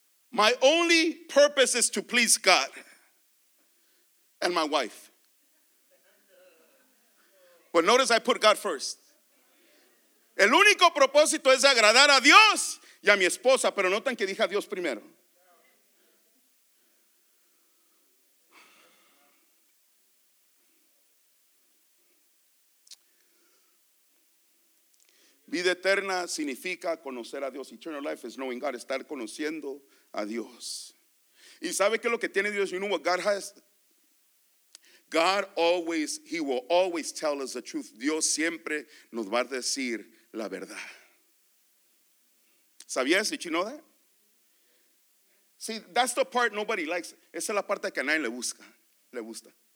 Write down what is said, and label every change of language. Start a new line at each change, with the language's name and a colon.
English: My only purpose is to please God and my wife. But notice I put God first.
Spanish: El único propósito es agradar a Dios y a mi esposa, pero notan que dije a Dios primero. Vida eterna significa conocer a Dios.
English: Eternal life is knowing God,
Spanish: estar conociendo a Dios. ¿Y sabe qué es lo que tiene Dios?
English: You know what God has? God always, he will always tell us the truth.
Spanish: Dios siempre nos va a decir la verdad. ¿Sabías?
English: Did you know that? See, that's the part nobody likes.
Spanish: Esa es la parte que a nadie le gusta.